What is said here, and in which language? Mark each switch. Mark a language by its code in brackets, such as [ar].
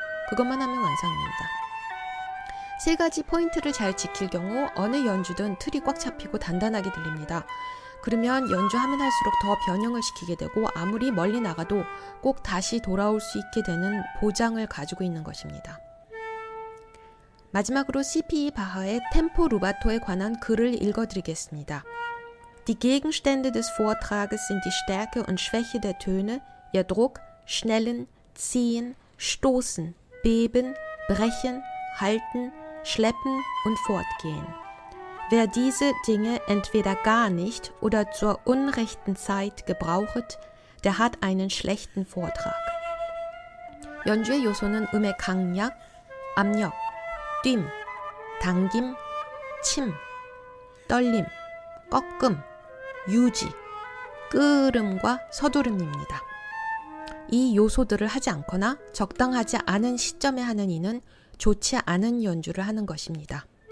[ko] 그것만 하면 완성입니다. 세 가지 포인트를 잘 지킬 경우 어느 연주든 틀이 꽉 잡히고 단단하게 들립니다. 그러면 연주하면 할수록 더 변형을 시키게 되고 아무리 멀리 나가도 꼭 다시 돌아올 수 있게 되는 보장을 가지고 있는 것입니다. 마지막으로 CPE 바하의 템포 루바토에 관한 글을 읽어드리겠습니다. [de] Die Gegenstände des Vortrages sind die Stärke und Schwäche der Töne, ihr Druck, Schnellen, Ziehen, Stoßen, Beben, Brechen, Halten, Schleppen und Fortgehen. Wer diese Dinge entweder gar nicht oder zur unrechten Zeit gebrauchet, der hat einen schlechten Vortrag. [ko] 연주의 요소는 음의 강약, 압력, 뛰임, 당김, 침, 떨림, 꺾음, 유지, 끄름과 서두름입니다. 이 요소들을 하지 않거나 적당하지 않은 시점에 하는 이는 좋지 않은 연주를 하는 것입니다.